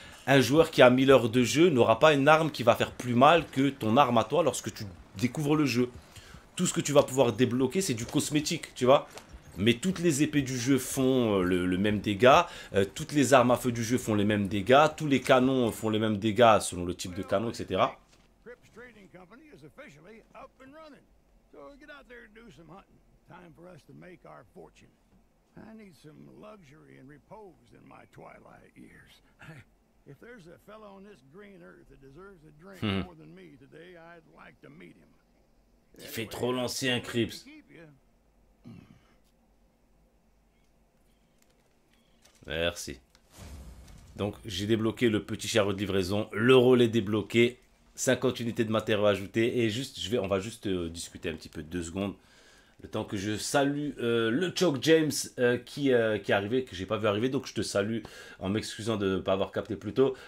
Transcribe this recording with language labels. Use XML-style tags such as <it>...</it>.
<fr>Un joueur qui a 1000 heures de jeu n'aura pas une arme qui va faire plus mal que ton arme à toi lorsque tu découvres le jeu. Tout ce que tu vas pouvoir débloquer, c'est du cosmétique, tu vois. Mais toutes les épées du jeu font le même dégât. Toutes les armes à feu du jeu font les mêmes dégâts. Tous les canons font les mêmes dégâts selon le type de canon, etc.</fr> <en>Crips Trading Company is officially up and running. So get out there and do some hunting. Time for us to make our fortune. I need some luxury and repose in my twilight years. If there's a fellow on this green earth that deserves a drink more than me today, I'd like to meet him.</en> <fr>Il fait trop l'ancien Crips. Merci. Donc, j'ai débloqué le petit chariot de livraison, le rôle est débloqué, 50 unités de matériaux ajoutées, et juste, on va juste discuter un petit peu, deux secondes, le temps que je salue le Choc James qui est arrivé, que j'ai pas vu arriver, donc je te salue en m'excusant de ne pas avoir capté plus tôt.</fr>